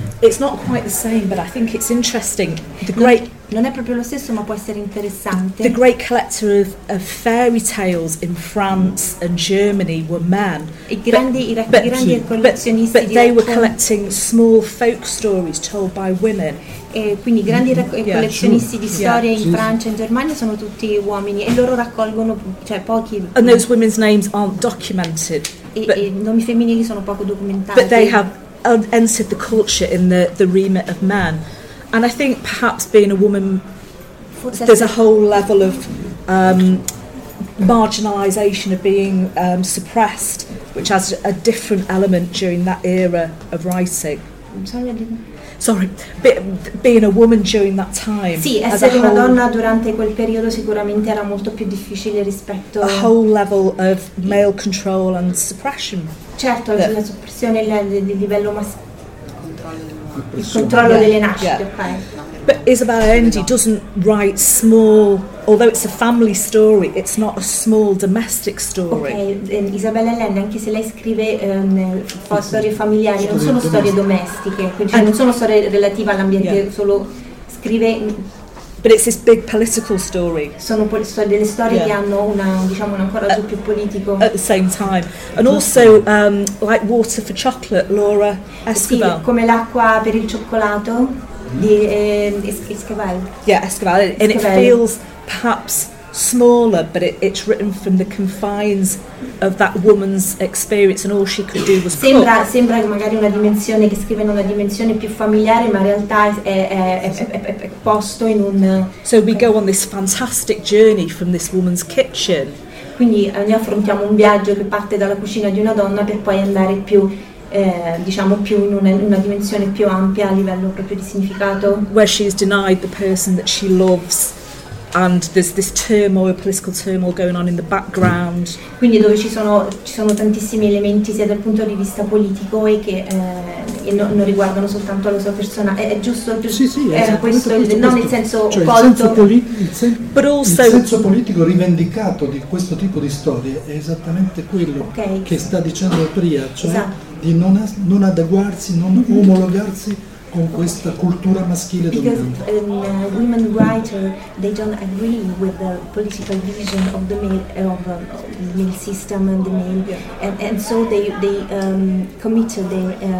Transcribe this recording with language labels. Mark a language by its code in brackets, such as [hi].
[en] It's not quite the same, but I think it's interesting. The great [it] non è proprio lo stesso, ma può essere interessante. [en] The great collector of fairy tales in France and Germany were men. [it] I grandi collezionisti [en] they were collecting small folk stories told by women. [it] E quindi i grandi collezionisti di storie in Francia e in Germania sono tutti uomini e loro raccolgono, cioè pochi. [en] And those women's names aren't documented. [it] E i nomi femminili sono poco documentati. [en] But they have entered the culture in the remit of man, and I think perhaps being a woman, there's a whole level of marginalization of being suppressed, which has a different element during that era of writing. I'm sorry, I didn't. Sorry, being a woman during that time. [it] Sì, essere una donna durante quel periodo sicuramente era molto più difficile rispetto [en] a whole level of male control and suppression. [it] Certo, la soppressione del livello maschile, il controllo delle nascite. [en] Yeah. Okay. But Isabella Allende doesn't write small, although it's a family story, it's not a small domestic story. Okay. [it] Isabella Allende, anche se lei scrive storie familiari, non sono storie domestiche, quindi non sono storie relative all'ambiente, solo scrive. [en] But it's this big political story. [it] Sono delle storie che hanno una, diciamo, un ancoraggio più politico. [en] At the same time, and also like Water for Chocolate, Laura Esquivel. [it] Sì, come l'acqua per il cioccolato di Esquivel. [en] Yeah, Esquivel. And it feels perhaps smaller, but it's written from the confines of that woman's experience, and all she could do was cook. [it] Sembra magari una dimensione che scrive in una dimensione più familiare, ma in realtà è posto in un. [en] So we go on this fantastic journey from this woman's kitchen. [it] Quindi noi affrontiamo un viaggio che parte dalla cucina di una donna per poi andare più, diciamo, più in una dimensione più ampia a livello proprio di significato. [en] Where she is denied the person that she loves. And there's this turmoil, political turmoil going on in the background. [it] Quindi dove ci sono tantissimi elementi sia dal punto di vista politico e che non riguardano soltanto la sua persona. È giusto, sì, sì, il senso politico rivendicato di questo tipo di storie è esattamente quello che sta dicendo Pria, cioè di non adeguarsi, non omologarsi con questa cultura maschile dominante. [en] Women writer, they don't agree with the political vision of the male system and the male, and so they committed their